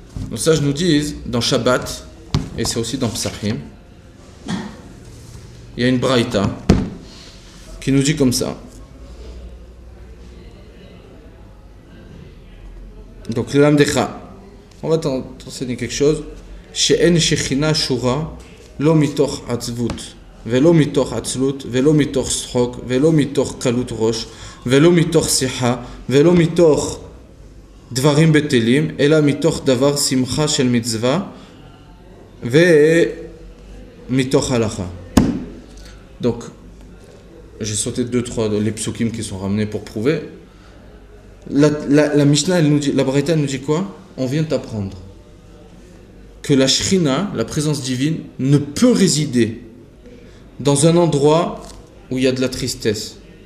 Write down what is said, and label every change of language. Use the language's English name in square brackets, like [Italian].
[French] Nos sages nous disent, dans Shabbat, et c'est aussi dans Psachim, il y a une braïta qui nous dit comme ça. Donc, le Lamdecha, on va t'enseigner quelque chose. [Hebrew] She'en Shechina Shura. לא מתוך עצבות ולא מתוך עצלות ולא מתוך שחוק ולא מתוך קלות ראש ולא מתוך שיחה ולא מתוך דברים בטלים אלא מתוך דבר שמחה של מצווה ומתוך הלכה. [French] Donc, j'ai sauté deux, trois les psukim qui sont ramenés pour prouver. La Mishnah, elle nous dit, la Baraita nous dit quoi? On vient t'apprendre que la Shrina, la présence divine, ne peut résider dans un endroit où il y a de la tristesse.